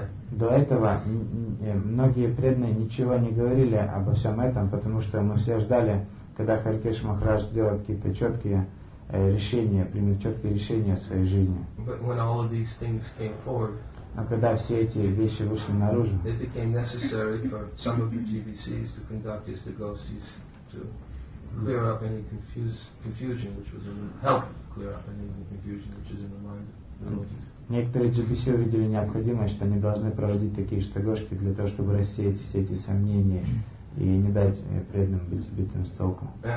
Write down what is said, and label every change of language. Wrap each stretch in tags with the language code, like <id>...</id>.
<ru>До этого многие преданные ничего не говорили обо всем этом, потому что мы все ждали, когда Хари Кришна Махарадж сделает какие-то четкие решения, примет четкие решения в своей жизни.</ru> <en>But when all of these things came forward,</en> <ru>но когда все эти вещи вышли наружу,</ru> <en>it became necessary for some of the GBCs to conduct these negotiations to clear up any confusion, which was in help clear up any confusion, which is in the mind.</en> <ru>Некоторые GBC увидели необходимость, что они должны проводить такие штагошки для того, чтобы рассеять все эти сомнения и не дать преданным быть сбитым с толку.</ru>